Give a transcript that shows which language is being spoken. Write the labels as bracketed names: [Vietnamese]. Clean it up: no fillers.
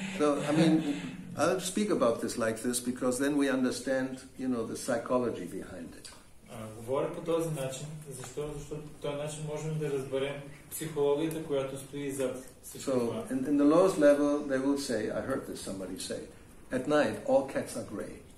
[English] So, I mean, I'll speak about this like this because then we understand, you know, the psychology behind it. [Bulgarian] Говоря по този начин, защото по този начин можем да разберем психологията, която стои зад всичко това. [English] So, in the lowest level, they will say, I heard this somebody say, at night, all cats are grey.